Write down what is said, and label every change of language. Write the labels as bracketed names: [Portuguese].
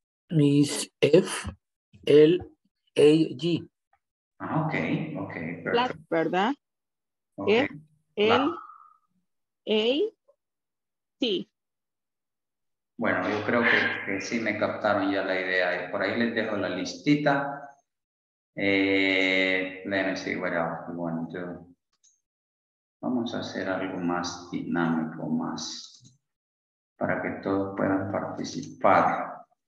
[English] Miss F-L-A-G. Ah, ok, ok. [Spanish] Flat, ¿verdad? [English] Okay. F-L-A-G. A, T. [Spanish] Bueno, yo creo que sí me captaron ya la idea. Por ahí les dejo la listita. [English] Let me see what else we want to do. [Spanish] Vamos a hacer algo más dinámico, más para que todos puedan participar.